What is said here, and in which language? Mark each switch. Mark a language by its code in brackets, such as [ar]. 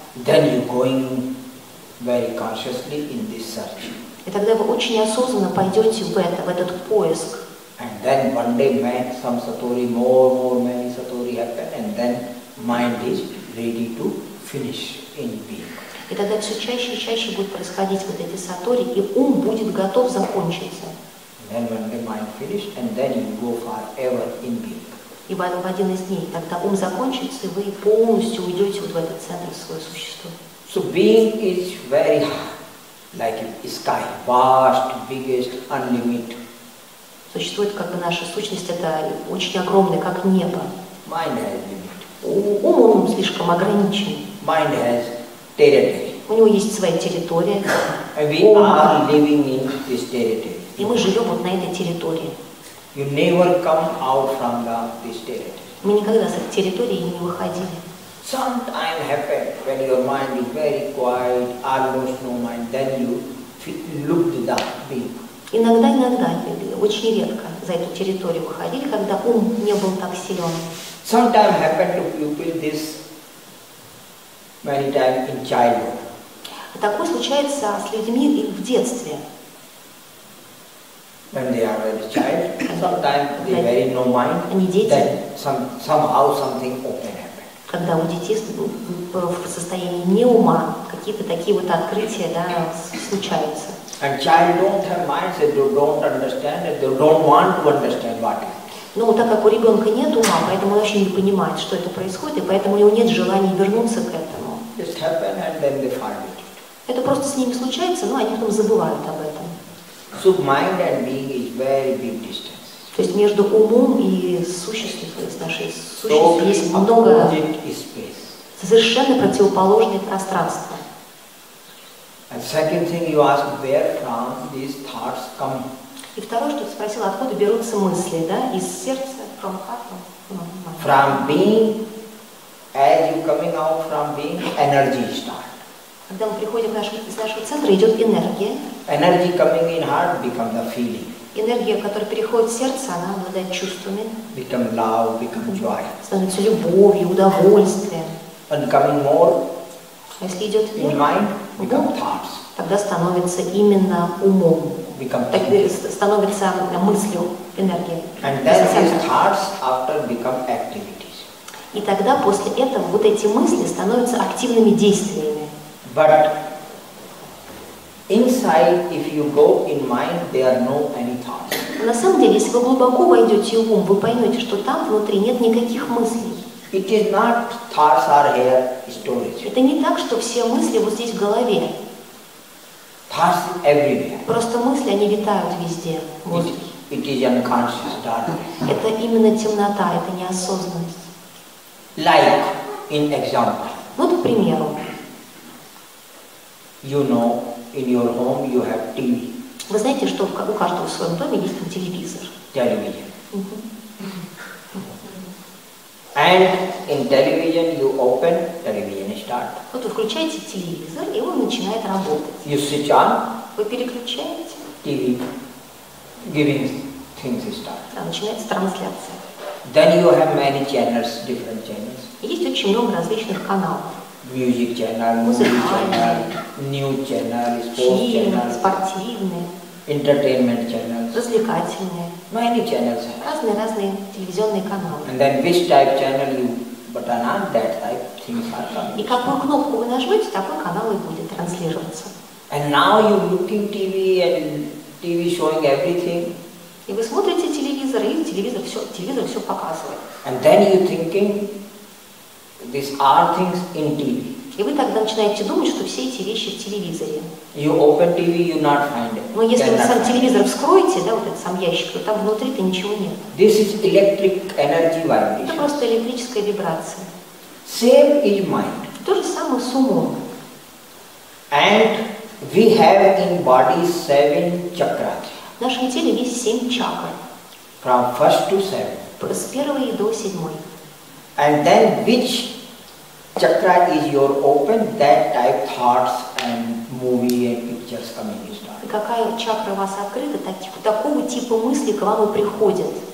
[en] Then you're going very consciously in this search. [ru] И тогда вы очень осознанно пойдете в это, в этот поиск. [en] And then one day some satori, many satori happen, and then mind is ready to finish in being. [ru] И тогда все чаще и чаще будет происходить вот эти сатори, и ум будет готов закончиться. [en] And when the mind finished, and then you go forever in being. [ru] И в один из дней, тогда ум закончится, и вы полностью уйдете вот в этот центр своего существа. [en] So being is very like a sky, vast, biggest, unlimited. [ru] Существует как бы наша сущность, это очень огромная, как небо. [en] Mind has limit. [ru] Ум слишком ограничен. [en] Mind has territory. [ru] У него есть своя территория. [en] And we are living in this territory. [ru] И мы живем вот на этой территории. [en] You never come out from this territory. [ru] Мы никогда с этой территории не выходили. [en] Sometimes happen when your mind is very quiet, almost no mind, then you look to that being. [ru] Иногда, очень редко за эту территорию выходили, когда ум не был так силен. [en] Sometimes happen to people this many times in childhood. [ru] Такое случается с людьми в детстве. [en] When they are a child, sometimes they very no mind. [ru] Они дети. [en] Then somehow something open happens. [ru] Когда у детей в состоянии не ума какие-то такие вот открытия, да, случаются. [en] And child don't have mind, so they don't understand, and they don't want to understand what. [ru] Ну, так как у ребенка нет ума, поэтому он вообще не понимает, что это происходит, и поэтому у него нет желания вернуться к этому. [en] Just happen and then they forget. [ru] Это просто с ними случается, но они потом забывают об этом. [en] So mind and being is very big distance. [ru] То есть между умом и существом есть много совершенно противоположные пространства. [en] And second thing you ask, where from these thoughts come? [ru] И второе, что ты спросил, откуда берутся мысли, да, из сердца, [en] from heart. From being, as you coming out from being, energy starts. [ru] Когда мы приходим из нашего центра, идет энергия. [en] Energy coming in heart becomes a feeling. [ru] Энергия, которая переходит в сердце, она обладает чувствами. [en] Become love, become joy. [ru] Становится любовью, удовольствием. [en] And coming more. [ru] А если идет [en] in mind, become thoughts. [ru] Тогда становится именно умом. [en] Become [ru] становится мыслью, энергией. [en] And then these thoughts after become activities. [ru] И тогда после этого вот эти мысли становятся активными действиями. [en] But inside, if you go in mind, there are no any thoughts. [ru] На самом деле, если вы глубоко войдете в ум, вы поймете, что там внутри нет никаких мыслей. [en] It is not thoughts are here storage. [ru] Это не так, что все мысли вот здесь в голове. [en] Thoughts everywhere. [ru] Просто мысли, они витают везде. [en] It is unconscious darkness. [ru] Это именно темнота, это неосознанность. [en] Like in example. [ru] Вот к примеру. [en] You know, in your home you have TV. [ru] Вы знаете, что у каждого в своем доме есть телевизор. [en] Television. And in television you open, television start. [ru] Вот вы включаете телевизор, и он начинает работать. [en] You switch on. [ru] Вы переключаете. [en] TV giving things start. [ru] Да, начинается трансляция. [en] Then you have many channels, different channels. [ru] Есть очень много различных каналов. [en] Music channel, movie channel, new channel, sports channel, [ru] спортивные, [en] entertainment channels, [ru] развлекательные, [en] many channels, [ru] разные телевизионные каналы. [en] And then which type channel you button on, that type things are coming. [ru] И какую кнопку вы нажмете, такой канал и будет транслироваться. [en] And now you looking TV and TV showing everything. [ru] И вы смотрите телевизор, и телевизор все показывает. [en] And then you thinking. These are things in TV. [ru] И вы тогда начинаете думать, что все эти вещи в телевизоре. [en] You open TV, you not find it. [ru] Но если вы сам телевизор вскроете, да, вот этот сам ящик, то там внутри-то ничего нет. [en] This is electric energy vibration. [ru] Это просто электрическая вибрация. [en] Same is mind. [ru] То же самое с умом. [en] And we have in body seven chakras. [ru] В нашем теле есть семь чакр. [en] From first to seven. [ru] С первой до седьмой. [en] And then which chakra is your open, that type thoughts and movie and pictures coming in. [ru] Какая чакра у вас открыта, такого типа мысли к вам и приходят?